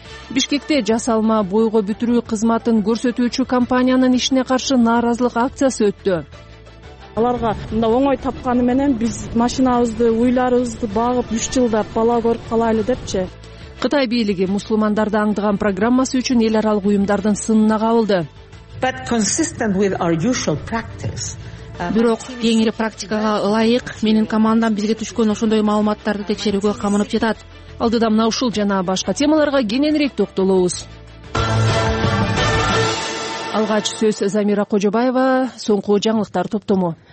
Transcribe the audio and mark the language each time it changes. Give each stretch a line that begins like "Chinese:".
Kyrgyz: Бишкекте жасалма бойго бүтүрүү кызматын көрсөтүүчү компаниянын ишине каршы нааразылык акциясы өттү. Аларга мындай оңой тапканы менен биз машинабызды, уйларыбызды багып 3 жылда бала көрүп калайлы депчи. Кытай бийлиги мусулмандарды аңдыган программасы үчүн эл аралык уюмдардын сынына кабылды.
English: But consistent with our usual practice.
Kyrgyz: Бирок кеңири практикага ылайык менин командам бизге түшкөн ошондой маалыматтарды текшерүүгө камынып жатат. Алдыда мына ушул жана башка темаларга кененирээк токтолобуз. Алгач сөз Замира Кожобаева, соңку жаңылыктар топтому.